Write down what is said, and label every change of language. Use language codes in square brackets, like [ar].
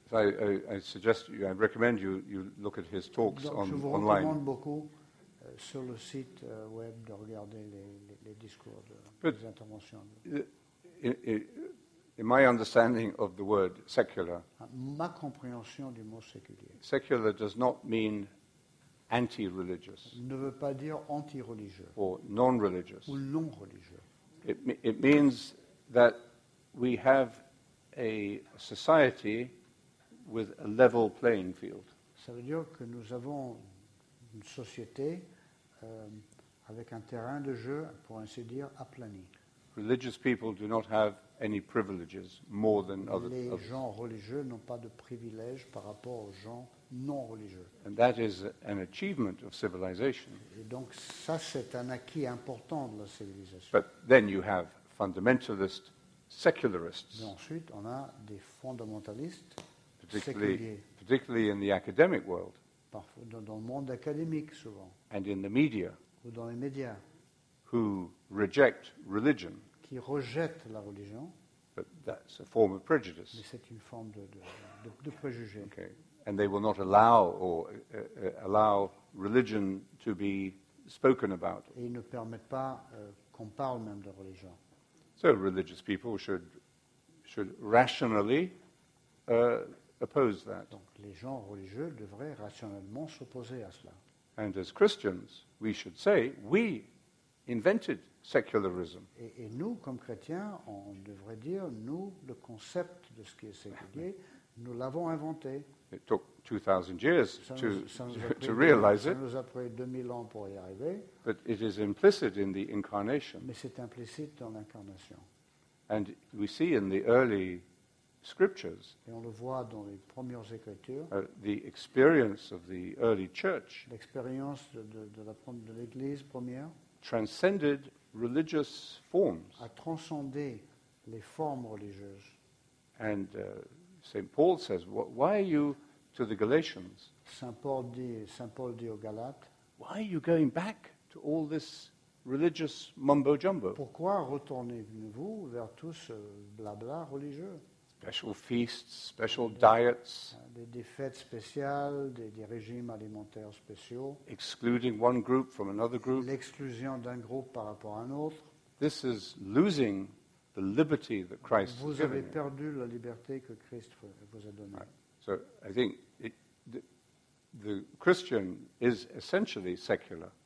[en] I recommend you look at his talks online. [fr] Je vous recommande beaucoup sur le site web de regarder les discours des interventions. [en] In my understanding of the word secular. [fr] Ma compréhension du mot séculier. [en] Secular does not mean anti-religious. [fr] Ne veut pas dire anti-religieux. [en] Or non-religious. [fr] Ou non-religieux. [en] It means that we have a society with a level playing field. [fr] Ça veut dire que nous avons une société avec un terrain de jeu, pour ainsi dire, aplani. [en] Religious people do not have any privileges more than other. [fr] Les gens religieux n'ont pas de privilèges par rapport aux gens non religieux. [en] And that is an achievement of civilization. [fr] Et donc ça, c'est un acquis important de la civilisation. [en] But then you have fundamentalist secularists. [fr] Et ensuite, on a des fondamentalistes [en] séculiers. Particularly in the academic world. [fr] Dans le monde académique, souvent. [en] And in the media, [fr] ou dans les médias, [en] who reject religion, [fr] qui rejettent la religion, [en] but that's a form of prejudice. [fr] Mais c'est une forme de préjugé. [en] Okay. And they will not allow or allow religion to be spoken about. [fr] Et ils ne permettent pas qu'on parle même de religion. [en] So religious people should rationally oppose that. [fr] Donc les gens religieux devraient rationnellement s'opposer à cela. [en] And as Christians, we should say, we invented secularism. [fr] Et nous, comme chrétiens, on devrait dire, nous, le concept de ce qui est séculier, Nous l'avons inventé. [en] It took 2,000 years to realize it. [fr] Ça nous a pris 2000 ans pour y arriver. [en] But it is implicit in the incarnation. [fr] Mais c'est implicite dans l'incarnation. [en] And we see in the early scriptures. [fr] Et on le voit dans les premières écritures. [en] The experience of the early church. [fr] L'expérience de l'église première. [en] Transcended religious forms. [fr] A transcendé les formes religieuses. [en] And Saint Paul says, "Why are you to the Galatians?" [fr] Saint Paul dit aux Galates. [en] Why are you going back to all this religious mumbo jumbo? [fr] Pourquoi retournez-vous vers tout ce blabla religieux? [en] Special feasts, special diets. [fr] Des fêtes spéciales, des régimes alimentaires spéciaux. [en] Excluding one group from another group. [fr] L'exclusion d'un groupe par rapport à un autre. [en] This is losing the liberty that Christ [fr] vous [en] has given. [fr] Vous avez perdu la liberté que Christ vous a donnée. [en] Right. So I think the Christian is essentially secular.